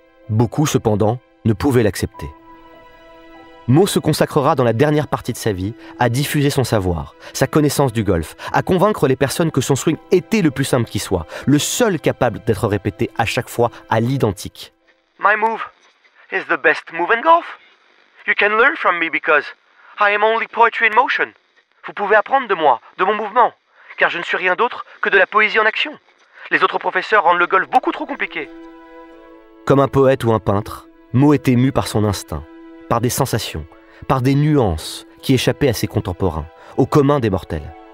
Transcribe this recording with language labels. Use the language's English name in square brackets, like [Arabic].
[French] Beaucoup, cependant, ne pouvaient l'accepter. Mo se consacrera dans la dernière partie de sa vie à diffuser son savoir, sa connaissance du golf, à convaincre les personnes que son swing était le plus simple qui soit, le seul capable d'être répété à chaque fois à l'identique. [English] My move is the best move in golf. You can learn from me because I am only poetry in motion. [French] Vous pouvez apprendre de moi, de mon mouvement, car je ne suis rien d'autre que de la poésie en action. Les autres professeurs rendent le golf beaucoup trop compliqué. Comme un poète ou un peintre, Mo était mu par son instinct, par des sensations, par des nuances qui échappaient à ses contemporains, au commun des mortels.